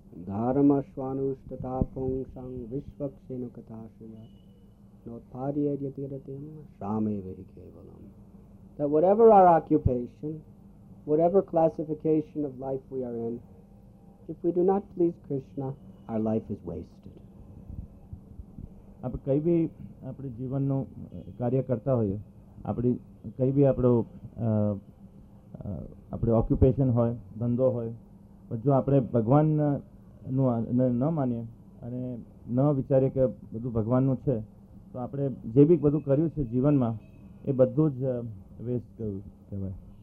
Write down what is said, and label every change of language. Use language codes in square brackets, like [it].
[sa] ધર્મ સ્વાનુષ્ટ તાપું સંગ વિશ્વક્ષેનો કથા સુયા નોતારીય યતિરતેમ સામેવ હિ કેવલમ. [en] That whatever our occupation, whatever classification of life we are in, if we do not please Krishna, our life is wasted. [gu] આપણે કઈ ભી આપણે જીવનનું કાર્ય કરતા હોઈએ આપણે કઈ ભી આપણો આપણે ઓક્યુપેશન હોય ધંધો હોય પણ જો આપણે ભગવાનનું ન માનીએ અને ન વિચારીએ કે બધું ભગવાનનું છે તો આપણે જે બી બધું કર્યું છે જીવનમાં એ બધું જ વેસ્ટ કર્યું કહેવાય.